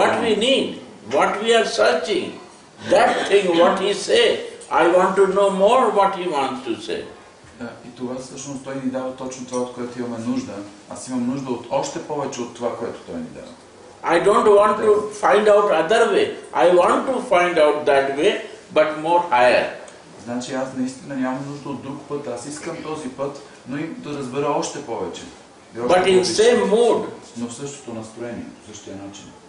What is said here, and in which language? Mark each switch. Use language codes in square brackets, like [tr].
[en] What we need, what we are searching, that thing what he say, I want to know more what he wants to say. [bg] Да, и това всъщност той ни дава точно това, от което имаме нужда. Аз имам нужда от още повече от това, което той ни дава. [en] I don't want to find out other way. I want to find out that way, but more higher. [bg] Значи аз наистина нямам нужда от друг път. Аз искам този път, но и да разбера още повече. [en] But in same mood. [bg] Но в същото настроение, по същия начин.